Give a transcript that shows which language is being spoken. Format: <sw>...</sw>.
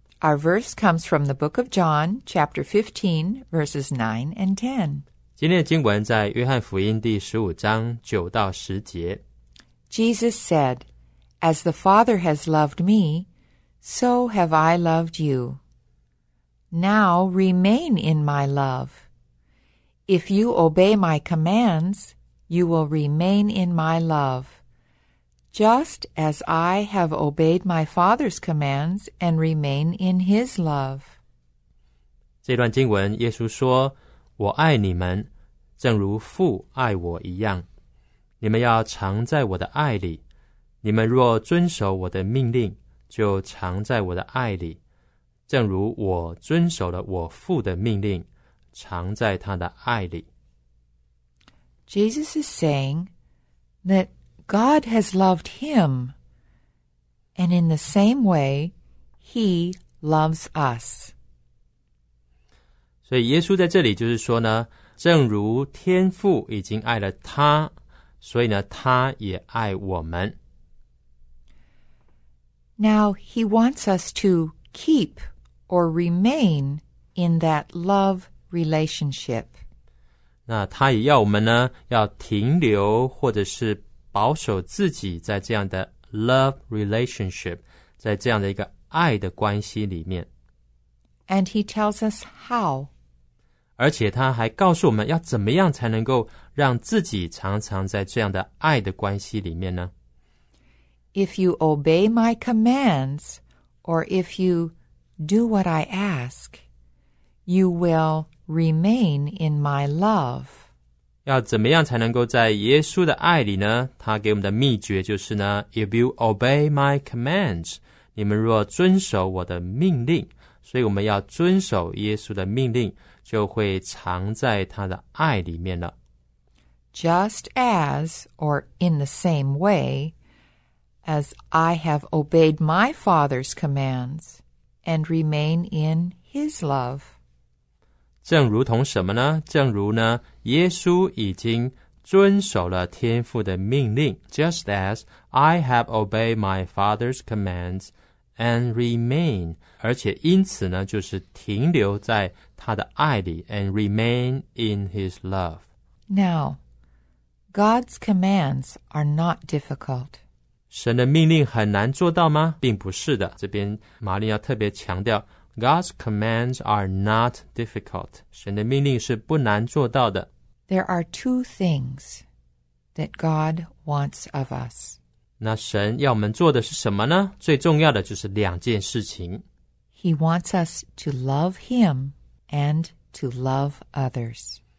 <en>Our verse comes from the book of John, chapter 15, verses 9 and 10.</en> <zh>今天的经文在约翰福音第15章9到10节。</zh> <en>Jesus said, As the Father has loved me, so have I loved you. Now remain in my love. If you obey my commands, you will remain in my love. Just as I have obeyed my Father's commands and remain in his love.</en> <zh>这段经文耶稣说，我爱你们，正如父爱我一样。你们要常在我的爱里。你们若遵守我的命令，就常在我的爱里。正如我遵守了我父的命令。常在他的爱里。</zh> <en>Jesus is saying that God has loved him, and in the same way, he loves us.</en> <zh>所以耶稣在这里就是说呢，正如天父已经爱了他，所以呢，他也爱我们。</zh> <en>Now, he wants us to keep or remain in that love relationship.</en> <zh>那他也要我们呢，要停留或者是保守自己在这样的</zh> <en>love relationship,</en> <zh>在这样的一个爱的关系里面。</zh> <en>And he tells us how.</en> <zh>而且他还告诉我们要怎么样才能够让自己常常在这样的爱的关系里面呢？</zh> <en>If you obey my commands, or if you do what I ask, you will remain in my love.</en> <zh>要怎么样才能够在耶稣的爱里呢？他给我们的秘诀就是呢，</zh> <en>If you obey my commands,</en> <zh>你们若遵守我的命令，所以我们要遵守耶稣的命令，就会藏在他的爱里面了。</zh> <en>Just as, or in the same way, as I have obeyed my Father's commands and remain in His love.</en> <zh>正如同什么呢？正如呢，耶稣已经遵守了天父的命令。</zh> <en>Just as I have obeyed my Father's commands and remain,</en> <zh>而且因此呢，就是停留在他的爱里</zh> <en>and remain in His love. Now,God's commands are not difficult.</en> <zh>神的命令很难做到吗？并不是的。这边玛丽要特别强调</zh> <en>God's commands are not difficult.</en> <zh>神的命令是不难做到的。</zh> <en>There are two things that God wants of us.</en> <zh>那神要我们做的是什么呢？最重要的就是两件事情。</zh> <en>He wants us to love Him and to love others.</en>